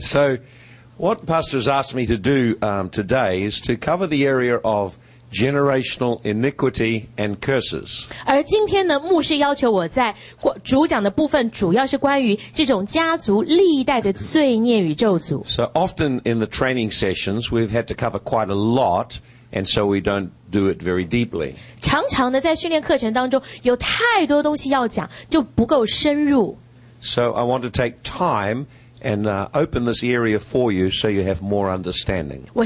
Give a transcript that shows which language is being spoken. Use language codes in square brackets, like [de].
[en] So what Pastor has asked me to do today is to cover the area of generational iniquity and curses. [zh] 而今天呢, 牧师要求我在主讲的部分主要是关于这种家族历代的罪孽与咒诅。 [en] So often in the training sessions, we've had to cover quite a lot, and so we don't do it very deeply. [zh] 常常的在训练课程当中有太多东西要讲就不够深入。 [en] So I want to take time and open this area for you so you have more understanding.